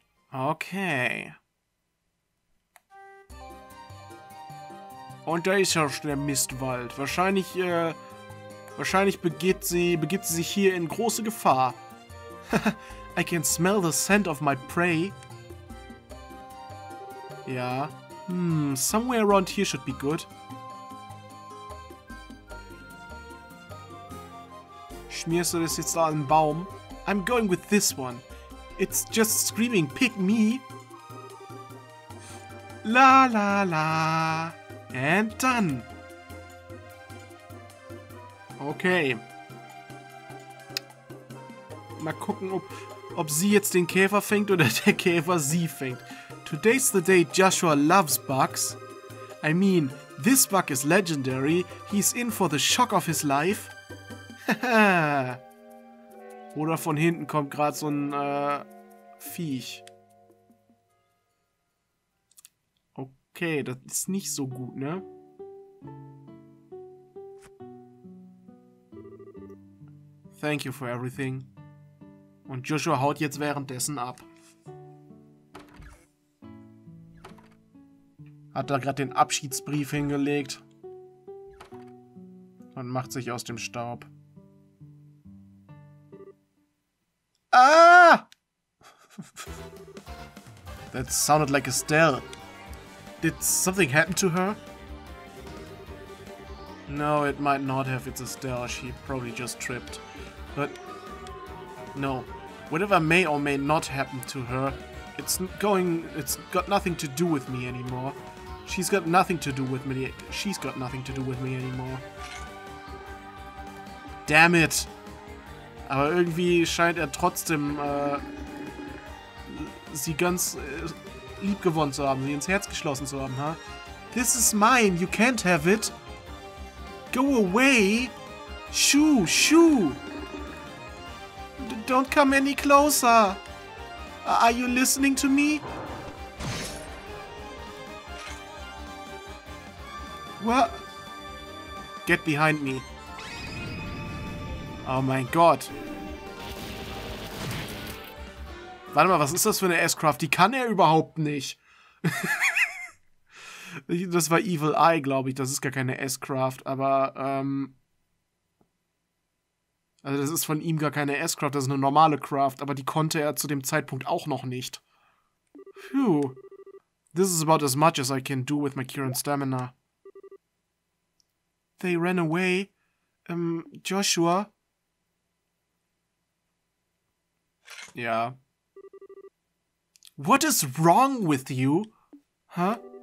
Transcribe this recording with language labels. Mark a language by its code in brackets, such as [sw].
[en] Okay. [de] Und da ist ja schon der Mistwald. Wahrscheinlich begibt sie sich hier in große Gefahr. [en] I can smell the scent of my prey. Yeah. Somewhere around here should be good. [de] Schmierst du das jetzt da an den Baum? [en] I'm going with this one. It's just screaming, pick me. La la la. And done. Okay. [de] Mal gucken, ob sie jetzt den Käfer fängt oder der Käfer sie fängt. [en] Today's the day Joshua loves bugs. I mean, this bug is legendary. He's in for the shock of his life. [de] Oder von hinten kommt gerade so ein Viech. Okay, das ist nicht so gut, ne? [en] Thank you for everything. [de] Und Joshua haut jetzt währenddessen ab. Hat da gerade den Abschiedsbrief hingelegt. Und macht sich aus dem Staub. Ah! [en] That sounded like Estelle. Did something happen to her? No, it might not have. It's Estelle. She probably just tripped. But no, whatever may or may not happen to her, it's got nothing to do with me anymore. She's got nothing to do with me. She's got nothing to do with me anymore. Damn it! [de] Aber irgendwie scheint er trotzdem sie ganz lieb gewonnen zu haben, sie ins Herz geschlossen zu haben, ha? Huh? [en] This is mine. You can't have it. Go away. Shoo, shoo. Don't come any closer. Are you listening to me? What? Get behind me. [de] Oh mein Gott. Warte mal, was ist das für eine S-Craft? Die kann er überhaupt nicht. Das war Evil Eye, glaube ich. Das ist gar keine S-Craft, aber also das ist von ihm gar keine S-Craft, das ist eine normale Craft, aber die konnte er zu dem Zeitpunkt auch noch nicht. Phew. [en] This is about as much as I can do with my current stamina. They ran away. Joshua? Ja. What is wrong with you? Huh?